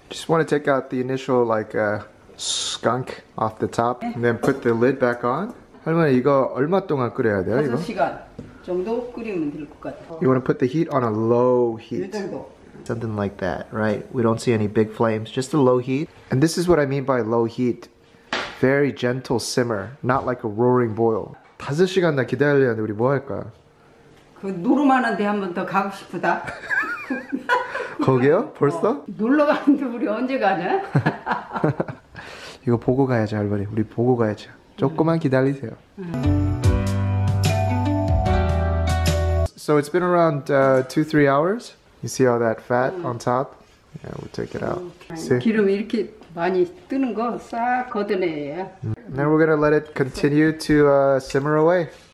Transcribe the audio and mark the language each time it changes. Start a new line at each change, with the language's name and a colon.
English: Just want to take out the initial like skunk off the top, and then put the lid back on.
Korean: 할머니, 이거 얼마 동안 끓여야 돼요? 5시간 정도 끓이면 될 것 같아.
English: You want to put the heat on a low heat.
Korean: 이 정도.
English: Something like that, right? We don't see any big flames, just a low heat. And this is what I mean by low heat. Very gentle simmer, not like a roaring boil.
Korean: 5시간 나 기다렸는데 우리 뭐 할까? 그 노르만한테 한 번 더 가고 싶다. 거기요? 벌써? 놀러 가는데 우리 언제 가냐? 이거 보고 가야지, 할머니. 우리 보고 가야지. 조금만 기다리세요.
English: So it's been around 2-3 hours. You see all that fat on top? Yeah, we'll take it out. See?
Korean: 기름 이렇게 많이 뜨는 거 싹 걷어내야.
English: Now we're gonna let it continue to simmer away.